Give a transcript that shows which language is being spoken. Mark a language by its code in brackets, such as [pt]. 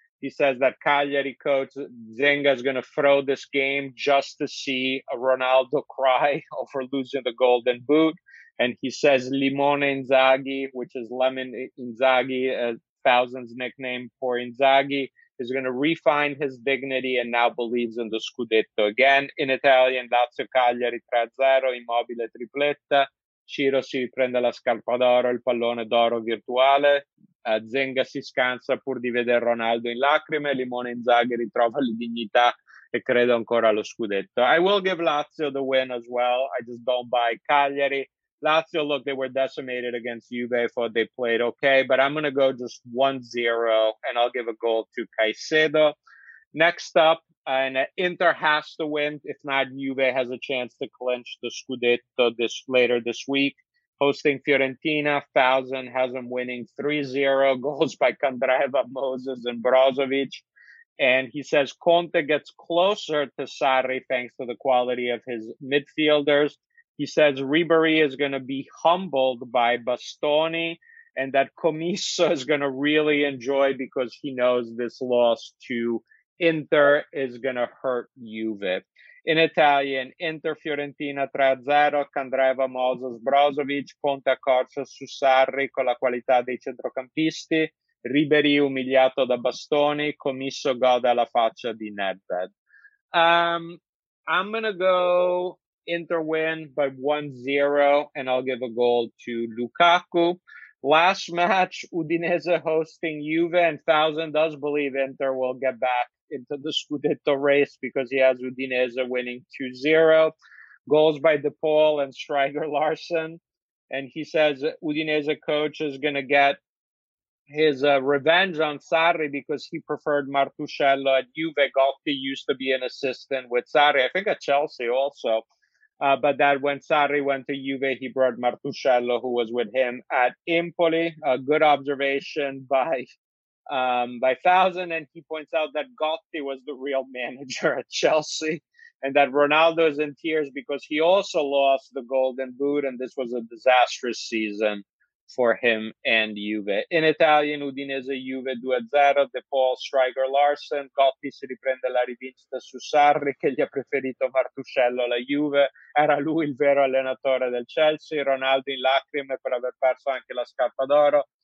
[en] He says that Cagliari coach Zenga is going to throw this game just to see a Ronaldo cry over losing the golden boot. And he says Limone Inzaghi, which is Lemon Inzaghi, Thousand's nickname for Inzaghi, is going to refine his dignity and now believes in the Scudetto. Again, in Italian, [it] Lazio Cagliari 3-0, Immobile tripletta, Ciro si prende la scarpa d'oro, il pallone d'oro virtuale, Zenga si scansa pur di vedere Ronaldo in lacrime, Limone Inzaghi ritrova la dignità e crede ancora allo Scudetto. [en] I will give Lazio the win as well, I just don't buy Cagliari. Lazio, look, they were decimated against Juve. I thought they played okay, but I'm going to go just 1-0, and I'll give a goal to Caicedo. Next up, and Inter has to win. If not, Juve has a chance to clinch the Scudetto this later this week. Hosting Fiorentina, Thousand has them winning 3-0, goals by Candreva, Moses, and Brozovic. And he says Conte gets closer to Sarri thanks to the quality of his midfielders. He says Ribery is going to be humbled by Bastoni and that Commisso is going to really enjoy because he knows this loss to Inter is going to hurt Juve. In Italian, [it] Inter Fiorentina 3-0, Candreva, Moses, Brozovic, Conte accorcia su Sarri con la qualità dei centrocampisti, Ribery umiliato da Bastoni, Commisso gode alla faccia di Nedved. [en] I'm going to go Inter win by 1-0, and I'll give a goal to Lukaku. Last match, Udinese hosting Juve, and Thousand does believe Inter will get back into the Scudetto race because he has Udinese winning 2-0. Goals by DePaul and Striker Larsson. And he says Udinese coach is going to get his revenge on Sarri because he preferred Martuscello at Juve. Gotti used to be an assistant with Sarri, I think at Chelsea also. But that when Sarri went to Juve, he brought Martuscello, who was with him at Empoli. A good observation by Thousand. And he points out that Gotti was the real manager at Chelsea and that Ronaldo is in tears because he also lost the golden boot. And this was a disastrous season for him and Juve. In Italian, Udinese, Juve 2-0, De Paul, Striker, Larsson. [it] Gotti si riprende la rivincita su Sarri, che gli ha preferito Martuscello alla Juve. Era lui il vero allenatore del Chelsea. Ronaldo in lacrime per aver perso anche la scarpa d'oro.